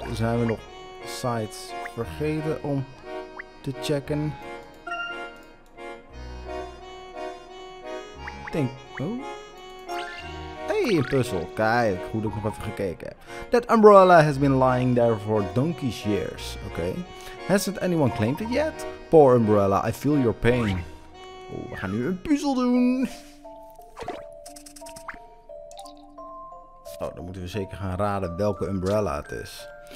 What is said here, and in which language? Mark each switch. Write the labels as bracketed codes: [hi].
[nl] Zijn we nog sites vergeten om te checken? Hey, een puzzel. Kijk, goed dat ik nog even gekeken heb. [en] That umbrella has been lying there for donkey's years. Okay. Hasn't anyone claimed it yet? Poor umbrella, I feel your pain. [nl] Oh, we gaan nu een puzzel doen. Oh, dan moeten we zeker gaan raden welke umbrella het is.